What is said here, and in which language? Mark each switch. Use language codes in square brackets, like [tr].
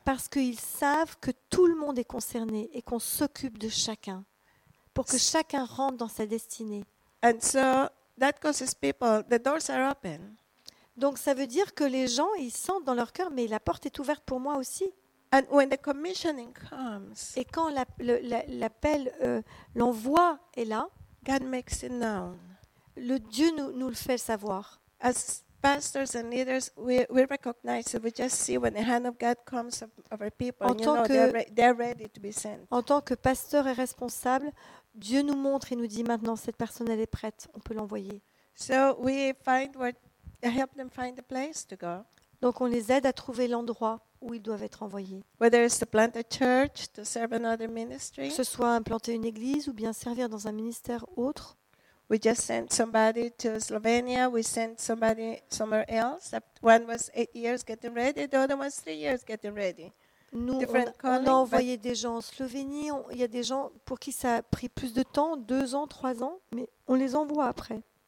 [fr] Parce qu'ils savent que tout le monde est concerné et qu'on s'occupe de chacun pour que chacun rentre dans sa destinée. [en] And so. That causes people, the doors are open. [fr] Donc ça veut dire que les gens ils sentent dans leur cœur mais la porte est ouverte pour moi aussi. [en] And when the commissioning comes, [fr] et quand l'appel, l'envoi est là, [en] God makes it known. [fr] Le Dieu nous le fait savoir. [en] As pastors and leaders, we recognize it. We just see when the hand of God comes over people, [fr] en [en] and [fr] tant [en] you know [fr] que, [en] they're ready to be sent. [fr] En tant que pasteur et responsable, Dieu nous montre et nous dit maintenant cette personne elle est prête, on peut l'envoyer. [en] So we find where, help them find the place to go. [fr] Donc on les aide à trouver l'endroit où ils doivent être envoyés. [en] Whether it's to plant a church, to serve another ministry. [fr] Que ce soit implanter une église ou bien servir dans un ministère autre. [en] We just sent somebody to Slovenia. We sent somebody somewhere else. One was 8 years getting ready. The other was 3 years getting ready. [fr] Nous, on a envoyé des gens en Slovénie. Il y a des gens pour qui ça a pris plus de temps, 2 ans, 3 ans, mais on les envoie après.